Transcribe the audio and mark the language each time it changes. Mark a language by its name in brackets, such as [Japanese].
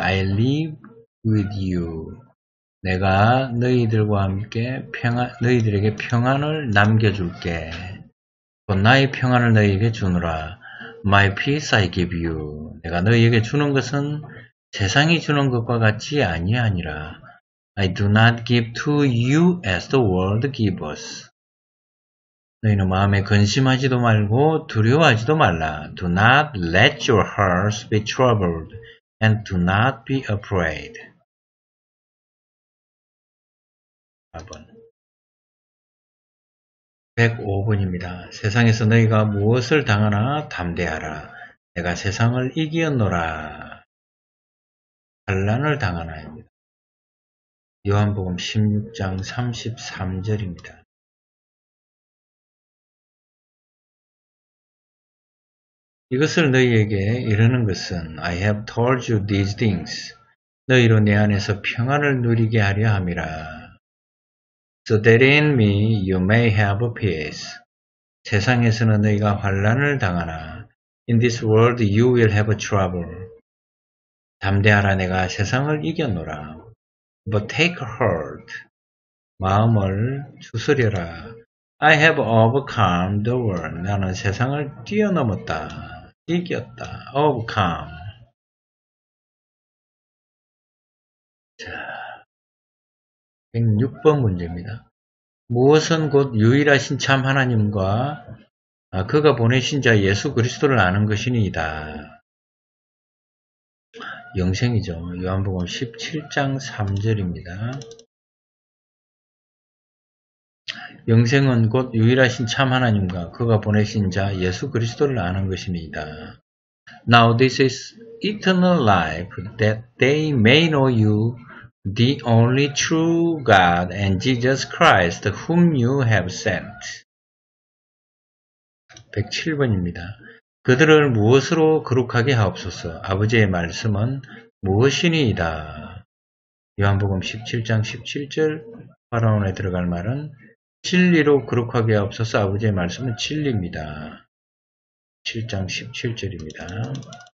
[English] I live with you. [Korean] 내가 너희들과 함께 너희들에게 평안을 남겨줄게. 곧 나의 평안을 너희에게 주노라. [English] My peace I give you. [Korean] 내가 너희에게 주는 것은 세상이 주는 것과 같지 아니하니라. [English] I do not give to you as the world gives. [Korean] 너희는 마음에 근심하지도 말고 두려워하지도 말라. [English] Do not let your hearts be troubled and do not be afraid. [Korean] 4번. 105번입니다. 세상에서 너희가 무엇을 당하나 담대하라. 내가 세상을 이기었노라. 환난을 당하나입니다. 요한복음 16장 33절입니다. 이것을 너희에게 이르는 것은 [English] I have told you these things. [Korean] 너희로 내 안에서 평안을 누리게 하려 함이라. So that in me you may have peace. 세상에서는 너희가 환난을 당하나 [English] In this world you will have a trouble. [Korean] 담대하라 내가 세상을 이겼노라. But take heart. 마음을 추스려라. I have overcome the world. 나는 세상을 뛰어넘었다. 이겼다. [English] Overcome. [Korean] 자, 106번 문제입니다. 무엇은 곧 유일하신 참 하나님과 그가 보내신 자 예수 그리스도를 아는 것이니이다. 영생이죠. 요한복음 17장 3절입니다. 영생은 곧 유일하신 참 하나님과 그가 보내신 자 예수 그리스도를 아는 것이니이다. Now this is eternal life that they may know you, the only true God and Jesus Christ whom you have sent. 107번입니다. 그들을 무엇으로 거룩하게 하옵소서. 아버지의 말씀은 무엇이니이다. 요한복음 17장 17절 파라온에 들어갈 말은 진리로 거룩하게 하옵소서. 아버지의 말씀은 진리입니다. 7장 17절입니다.